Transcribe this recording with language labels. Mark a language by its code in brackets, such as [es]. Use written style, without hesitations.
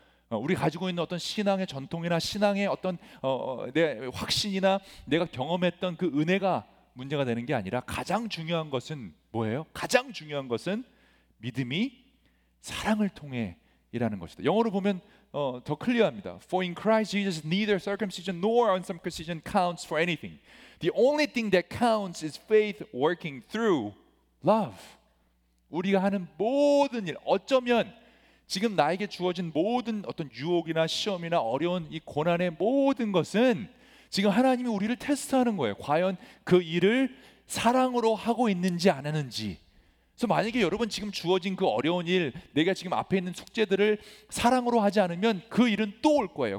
[ko] 우리 가지고 있는 어떤 신앙의 전통이나 신앙의 어떤 내 확신이나 내가 경험했던 그 은혜가 문제가 되는 게 아니라 가장 중요한 것은 뭐예요? 가장 중요한 것은 믿음이 사랑을 통해 이라는 것이다. 영어로 보면 더 클리어합니다. [en] For in Christ Jesus neither circumcision nor uncircumcision counts for anything. The only thing that counts is faith working through love. [ko] 우리가 하는 모든 일 어쩌면 지금 나에게 주어진 모든 어떤 유혹이나 시험이나 어려운 이 고난의 모든 것은 지금 하나님이 우리를 테스트하는 거예요. 과연 그 일을 사랑으로 하고 있는지 안 하는지. 그래서 만약에 여러분 지금 주어진 그 어려운 일, 내가 지금 앞에 있는 숙제들을 사랑으로 하지 않으면 그 일은 또 올 거예요.